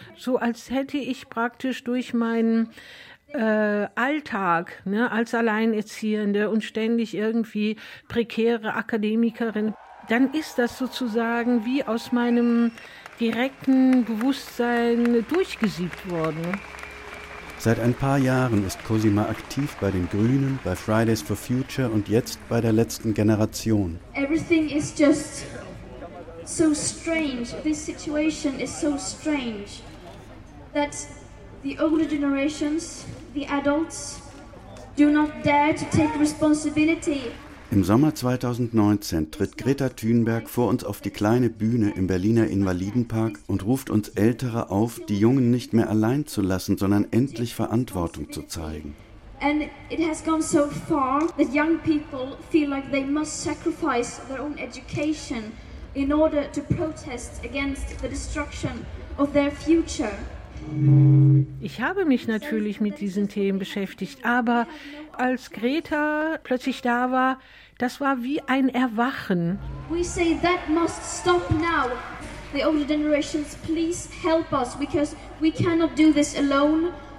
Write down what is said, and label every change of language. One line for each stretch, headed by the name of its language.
German: So als hätte ich praktisch durch meinen Alltag, ne, als Alleinerziehende und ständig irgendwie prekäre Akademikerin, dann ist das sozusagen wie aus meinem direkten Bewusstsein durchgesiebt worden. Seit ein paar Jahren ist Cosima aktiv bei den Grünen, bei Fridays for Future und jetzt bei der letzten Generation.
English: Everything is just so strange. This situation is so strange that the older generations, the adults, do not dare to take responsibility.
German: Im Sommer 2019 tritt Greta Thunberg vor uns auf die kleine Bühne im Berliner Invalidenpark und ruft uns Ältere auf, die Jungen nicht mehr allein zu lassen, sondern endlich Verantwortung zu zeigen.
English: And it has gone so far that young people feel like they must sacrifice their own education in order to protest against the destruction of their future.
German: Ich habe mich natürlich mit diesen Themen beschäftigt, aber als Greta plötzlich da war, das war wie ein Erwachen.
English: We say that must stop now. The older generations, please help us, because we cannot do this alone.